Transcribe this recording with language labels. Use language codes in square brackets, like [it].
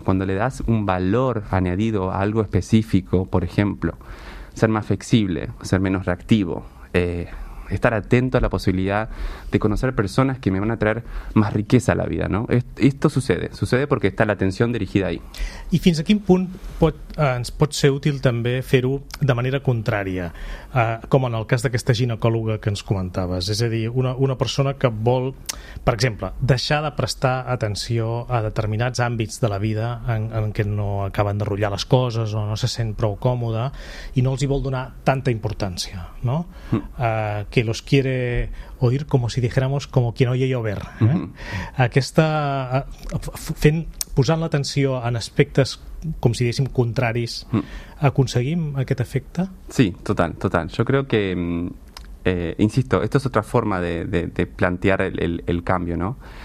[es] Cuando le das un valor añadido a algo específico, por ejemplo, ser más flexible, ser menos reactivo, estar atento a la posibilidad de conocer personas que me van a traer más riqueza a la vida, ¿no? Esto sucede porque está la atención dirigida ahí. [ca] I fins a quin punt ens pot ser útil també fer-ho de manera contrària, com en el cas d'aquesta ginecòloga que ens comentaves, és a dir, una persona que vol, per exemple, deixar de prestar atenció a determinats àmbits de la vida en què no acaben d'arrullar les coses o no se sent prou còmoda i no els hi vol donar tanta importància, no? [es] Que los quiere oír como si dijéramos como quien oye llover. [ca] Aquesta, posant l'atenció en aspectes com si diguéssim contraris, aconseguim aquest efecte? [es] Sí, total, total. Yo creo que, insisto, esto es otra forma de plantear el cambio, ¿no?